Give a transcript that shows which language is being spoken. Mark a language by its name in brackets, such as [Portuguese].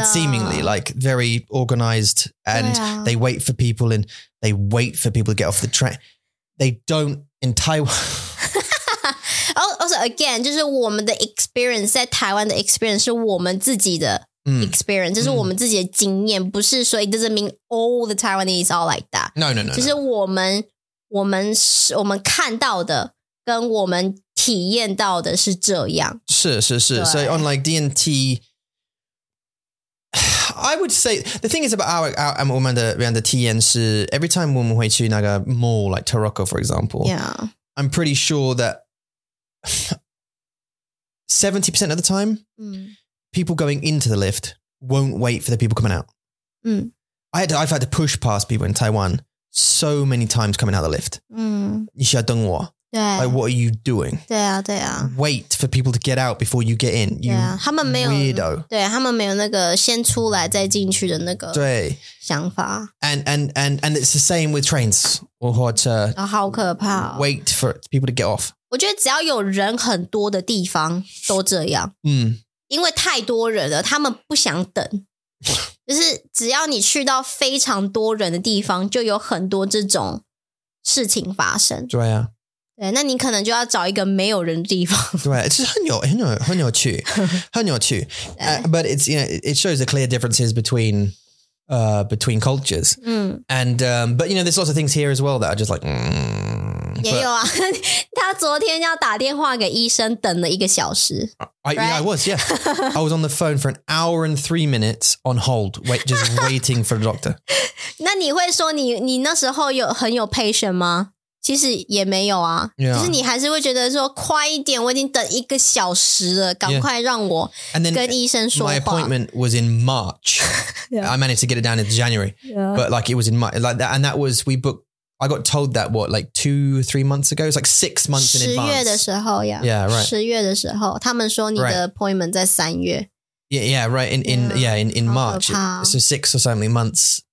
[English] It's seemingly like very organized and they wait for people and they wait for people to get off the train. They don't in Taiwan. also again, [Chinese] 就是我们的 experience, 在台湾的 experience 是我们自己的。 Experience 就是我们自己的经验，不是说 [English] it doesn't mean all the Taiwanese are like that. No. [Chinese] 就是我们看到的跟我们体验到的是这样。 [English] 是，所以 on like DNT, I would say the thing is about our [Chinese] 我们的这样的体验是 [English] every time [Chinese] 我们会去那个 [English] mall like Taroko for example. Yeah, I'm pretty sure that 70% of the time. People going into the lift won't wait for the people coming out. I've had to push past people in Taiwan so many times coming out of the lift. [Chinese] 你需要等我。对。 [English] Like, what are you doing? [Chinese] 对啊。 [English] Wait for people to get out before you get in. [Chinese] Yeah, 他们没有 [English] weirdo. [Chinese] 对，他们没有那个先出来再进去的那个想法。 [English] And it's the same with trains. [Chinese] 或者、哦、好可怕、哦。 [English] Wait for people to get off. [Chinese] 我觉得只要有人很多的地方都这样。因为太多人了，他们不想等。就是只要你去到非常多人的地方，就有很多这种事情发生。对啊，对，那你可能就要找一个没有人的地方。对，其实很有趣，很有趣。 [English] But it's you know it shows the clear differences between. Between cultures. And, but you know, there's lots of things here as well that are just like, [Chinese] 也有啊，他昨天要打电话给医生等了一个小时。 [English] Yeah, I was, yeah. I was on the phone for an hour and 3 minutes on hold, just waiting for the doctor. [Chinese] 那你会说你那时候有很有 patient 吗？其实也没有啊。 [English] Yeah. [Chinese] 就是你还是会觉得说快一点，我已经等一个小时了，赶快让我跟医生说话。 [English] My appointment was in March. Yeah. I managed to get it down in January. Yeah. But like it was in March. Like that, and that was, we booked, I got told that what, like 2-3 months ago? It's like 6 months in advance. [Chinese] 10月的时候 [English] yeah, right. [Chinese] 10月的时候他们说你的 appointment 在3月。 [English] Yeah, right. In March. So 6 or something months.